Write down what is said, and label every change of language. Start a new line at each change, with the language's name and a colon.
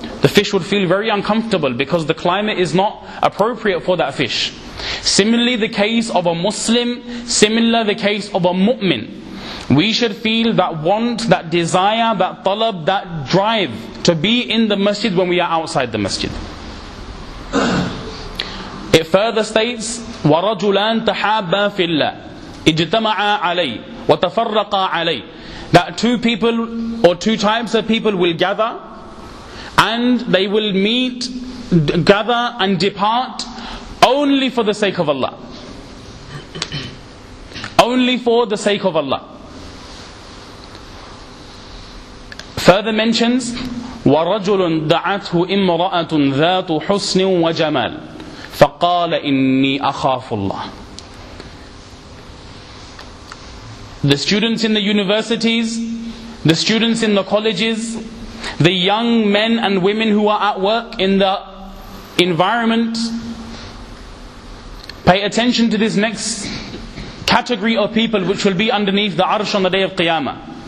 English: The fish would feel very uncomfortable because the climate is not appropriate for that fish. Similarly, the case of a Muslim, similar the case of a mu'min. We should feel that want, that desire, that talab, that drive to be in the masjid when we are outside the masjid. It further states,
Arabic: وَرَجُلَانْ تَحَابَا فِي اللَّهِ اجْتَمَعَا عَلَيْهِ وَتَفَرَّقَا عَلَيْهِ.
English: That two people or two types of people will gather and they will meet, gather and depart only for the sake of Allah. Only for the sake of Allah. Further mentions,
Arabic: وَرَجُلٌ دَعَتْهُ إِمْرَأَةٌ ذَاتُ حُسْنٍ وَجَمَالٍ فَقَالَ إِنِّي أَخَافُ اللَّهِ.
English: The students in the universities, the students in the colleges, the young men and women who are at work in the environment, pay attention to this next category of people which will be underneath the arsh on the day of Qiyamah.